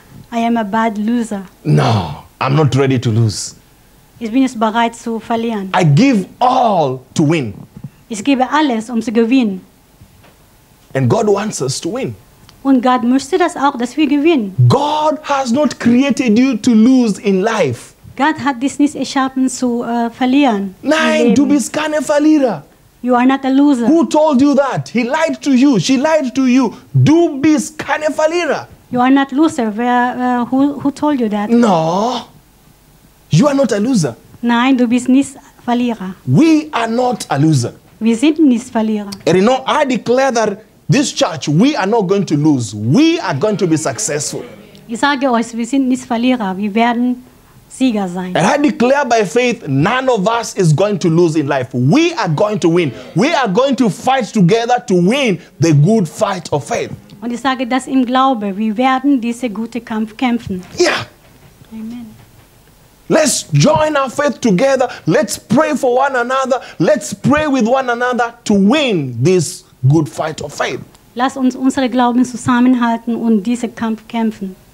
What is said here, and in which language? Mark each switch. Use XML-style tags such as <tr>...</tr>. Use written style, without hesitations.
<en>I am a bad loser. No, I'm not ready to lose.</en> <de>Ich bin nicht bereit zu verlieren.</de> <en>I give all to win.</en> <de>Ich gebe alles, zu gewinnen.</de> <en>And God wants us to win.</en> <de>Und Gott möchte das auch, dass wir gewinnen.</de> <en>God has not created you to lose in life.</en> <de>Gott hat dich nicht erschaffen zu verlieren. Nein, du bist kein Verlierer.</de> <en>You are not a loser. Who told you that? He lied to you. She lied to you.</en> <de>Du bist kein Verlierer.</de> <en>You are not a loser. Who told you that? No. You are not a loser.</en> <de>Nein, du bist nicht Verlierer.</de> <en>We are not a loser.</en> <de>Wir sind nicht Verlierer.</de> <en>And you know, I declare that this church, we are not going to lose. We are going to be successful.</en> <de>Ich sage euch, wir sind nicht Verlierer. Wir werden Sieger sein.</de> <en>And I declare by faith, none of us is going to lose in life. We are going to win. We are going to fight together to win the good fight of faith.</en> <de>Und ich sage das im Glaube. Wir werden diese gute Kampf kämpfen.</de> <en>Yeah. Amen. Let's join our faith together. Let's pray for one another. Let's pray with one another to win this good fight of faith.</en> <de>Lass uns unsere Glauben zusammenhalten und diesen Kampf kämpfen.</de>